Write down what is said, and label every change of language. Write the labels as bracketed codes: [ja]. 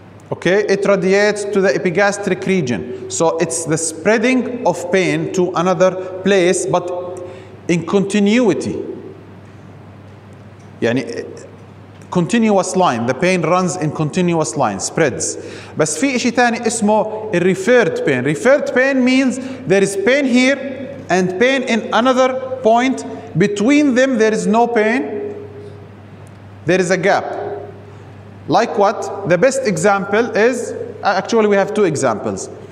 [en] Okay, it radiates to the epigastric region. So it's the spreading of pain to another place, but in continuity. يعني continuous line, the pain runs in continuous line, spreads. [ar] بس في إشي تاني اسمه referred pain. [en] Referred pain means there is pain here and pain in another point. Between them there is no pain. There is a gap. Like what? The best example is, actually we have two examples.